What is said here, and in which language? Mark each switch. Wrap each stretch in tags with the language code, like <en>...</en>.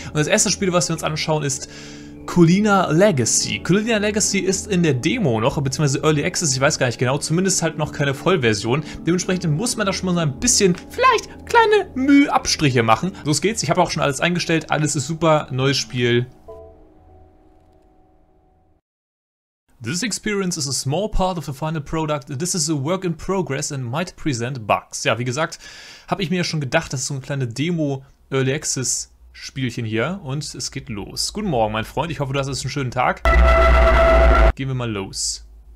<de>Und das erste Spiel, was wir uns anschauen, ist Collina Legacy. Collina Legacy ist in der Demo noch, beziehungsweise Early Access, ich weiß gar nicht genau, zumindest halt noch keine Vollversion. Dementsprechend muss man da schon mal so ein bisschen, vielleicht kleine Mühabstriche machen. Los geht's, ich habe auch schon alles eingestellt, alles ist super, neues Spiel.</de> <en>This experience is a small part of the final product. This is a work in progress and might present bugs.</en> <de>Ja, wie gesagt, habe ich mir ja schon gedacht, das ist so eine kleine Demo-Early Access Spielchen hier und es geht los. Guten Morgen, mein Freund. Ich hoffe, du hast einen schönen Tag. Gehen wir mal los.</de>